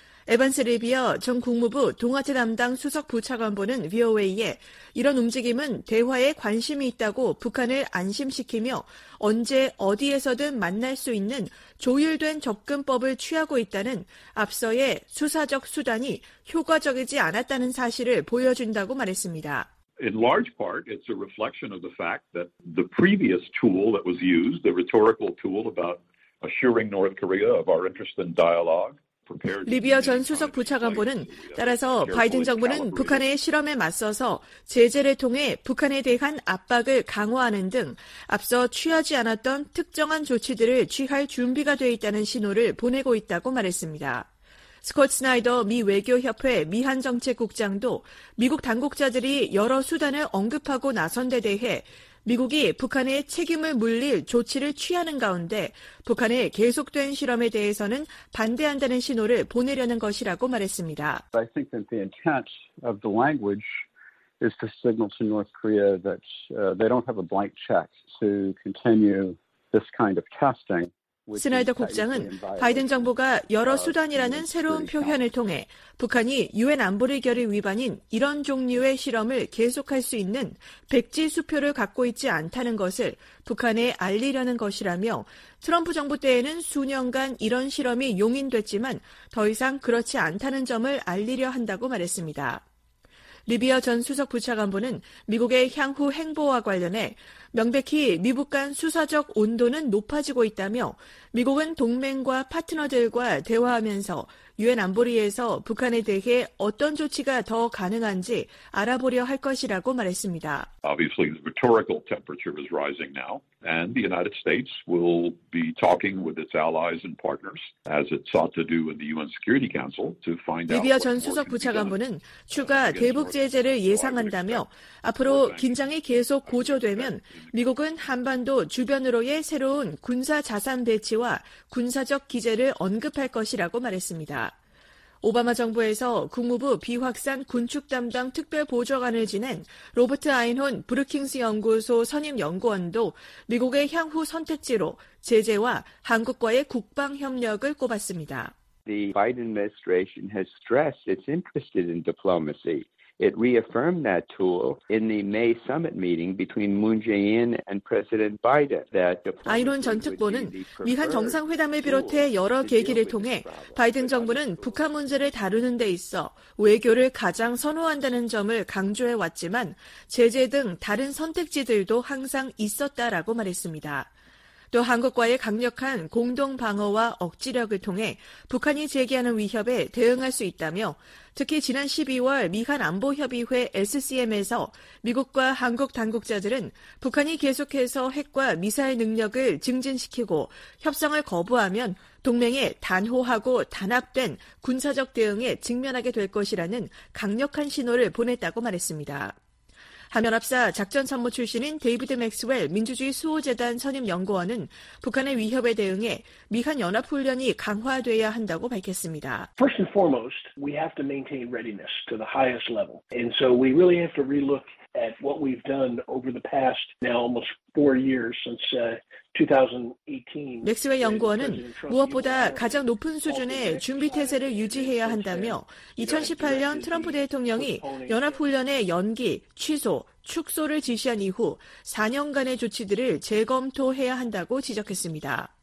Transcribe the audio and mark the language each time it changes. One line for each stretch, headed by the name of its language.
Korean: 에반스 리비어 전 국무부 동아태 담당 수석 부차관보는 VOA에 이런 움직임은 대화에 관심이 있다고 북한을 안심시키며 언제 어디에서든 만날 수 있는 조율된 접근법을 취하고 있다는 앞서의 수사적 수단이 효과적이지 않았다는 사실을 보여준다고 말했습니다.
English: In large part, it's a reflection of the fact that the previous tool that was used, the rhetorical tool about assuring North Korea of our interest in dialogue,
Korean: 리비아 전 수석 부차관보는 따라서 바이든 정부는 북한의 실험에 맞서서 제재를 통해 북한에 대한 압박을 강화하는 등 앞서 취하지 않았던 특정한 조치들을 취할 준비가 돼 있다는 신호를 보내고 있다고 말했습니다. 스콧 스나이더 미 외교협회 미한정책국장도 미국 당국자들이 여러 수단을 언급하고 나선 데 대해 미국이 북한에 책임을 물릴 조치를 취하는 가운데 북한의 계속된 실험에 대해서는 반대한다는 신호를 보내려는 것이라고 말했습니다.
English: I think that the intent of the language is to signal to North Korea that they don't have a blank check to continue this kind of testing.
Korean: 스나이더 국장은 바이든 정부가 여러 수단이라는 새로운 표현을 통해 북한이 유엔 안보리 결의 위반인 이런 종류의 실험을 계속할 수 있는 백지 수표를 갖고 있지 않다는 것을 북한에 알리려는 것이라며 트럼프 정부 때에는 수년간 이런 실험이 용인됐지만 더 이상 그렇지 않다는 점을 알리려 한다고 말했습니다. 리비아 전 수석 부차관보는 미국의 향후 행보와 관련해 명백히 미북 간 수사적 온도는 높아지고 있다며 미국은 동맹과 파트너들과 대화하면서 유엔 안보리에서 북한에 대해 어떤 조치가 더 가능한지 알아보려 할 것이라고 말했습니다.
English: Obviously the rhetorical temperature is rising now and the United States will be talking with its allies and partners as it sought to do in the UN Security Council to find out
Korean: 리비아 전 수석 부차관보는 추가 대북 제재를 예상한다며 앞으로 긴장이 계속 고조되면 미국은 한반도 주변으로의 새로운 군사 자산 배치와 군사적 기재를 언급할 것이라고 말했습니다. 오바마 정부에서 국무부 비확산 군축 담당 특별 보좌관을 지낸 로버트 아인혼 브루킹스 연구소 선임 연구원도 미국의 향후 선택지로 제재와 한국과의 국방 협력을 꼽았습니다.
English: The Biden administration has stressed it's interested in diplomacy. It reaffirmed that tool in the May summit meeting between Moon Jae-in and President Biden. That
Korean: 아이론 전 특보는 미한 정상회담을 비롯해 여러 계기를 통해 바이든 정부는 북한 문제를 다루는 데 있어 외교를 가장 선호한다는 점을 강조해 왔지만 제재 등 다른 선택지들도 항상 있었다라고 말했습니다. 또 한국과의 강력한 공동 방어와 억지력을 통해 북한이 제기하는 위협에 대응할 수 있다며 특히 지난 12월 미한 안보협의회 SCM에서 미국과 한국 당국자들은 북한이 계속해서 핵과 미사일 능력을 증진시키고 협상을 거부하면 동맹의 단호하고 단합된 군사적 대응에 직면하게 될 것이라는 강력한 신호를 보냈다고 말했습니다. 한면 앞서 작전참모 출신인 데이비드 맥스웰 민주주의 수호재단 선임연구원은 북한의 위협에 대응해 미한 연합훈련이 강화돼야 한다고 밝혔습니다.
English: First and foremost, we have to maintain readiness to the highest level. And so we really have to relook at what we've done over the past now almost four years since 2018.
Korean: 맥스웰 연구원은 무엇보다 가장 높은 수준의 준비태세를 유지해야 한다며 2018년 트럼프 대통령이 연합훈련의 연기, 취소, 축소를 지시한 이후 4년간의 조치들을 재검토해야 한다고 지적했습니다.